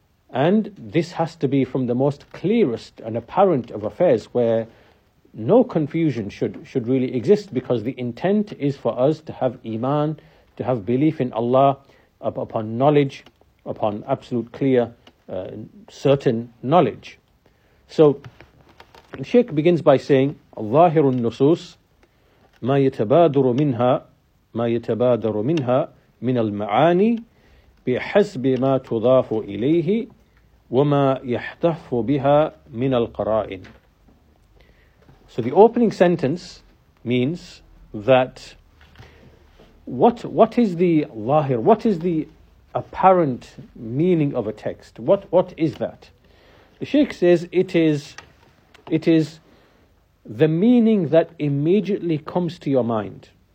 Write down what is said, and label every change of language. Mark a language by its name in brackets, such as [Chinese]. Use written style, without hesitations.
[English] And this has to be from the most clearest and apparent of affairs, where no confusion should really exist, because the intent is for us to have iman, to have belief in Allah upon knowledge, upon absolute clear, certain knowledge. So Shaykh begins by saying, [Arabic] ظاهر النصوص ما يتبادر منها ما يتبادر منها من المعاني بحسب ما تضاف إليه وما يحتف بها من القرائن. [English] So the opening sentence means that what is the ظاهر, what is the apparent meaning of a text? What is that? The Shaykh says it is the meaning that immediately comes to your mind.